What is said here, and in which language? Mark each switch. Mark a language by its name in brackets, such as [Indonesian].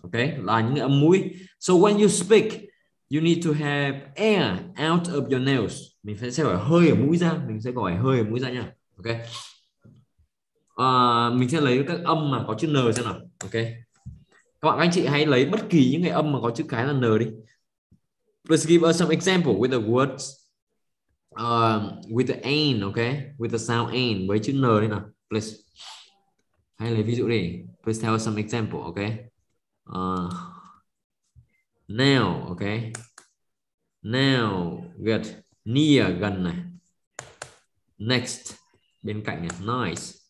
[English] Ok, [Vietnamese] là những âm mũi. [English] So when you speak, you need to have air out of your nose. [Vietnamese] Mình sẽ gọi hơi ở mũi ra. Mình sẽ gọi hơi ở mũi ra nha. Ok. Mình sẽ lấy các âm mà có chữ N xem nào. Ok. Các bạn anh chị hãy lấy bất kỳ những cái âm mà có chữ cái là N đi. [English] Please give us some example with the words with the N, ok? With the sound N, [Vietnamese] với chữ N đây nào. [English] Please. [Vietnamese] Hãy lấy ví dụ đi. [English] Please tell us some example, ok? Nail, ok? Nail, good. Near, [Vietnamese] gần này. Next, bên cạnh này. Nice.